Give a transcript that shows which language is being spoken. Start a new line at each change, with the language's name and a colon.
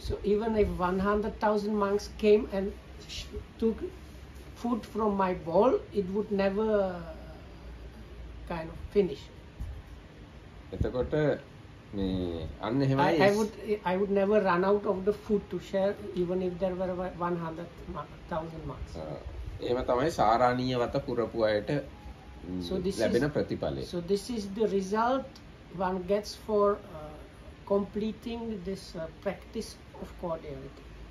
English: So even if 100,000 monks came and took food from my bowl, it would never kind of finish.
Sinhala: එතකොට මේ අන්න එහෙමයි
English: I would never run out of the food to share even if there were 100,000 monks.
Sinhala: එහෙම තමයි සාරාණීය වත පුරපු අයට ලැබෙන ප්‍රතිඵලය.
English: So this is the result one gets for completing this practice of cordiality.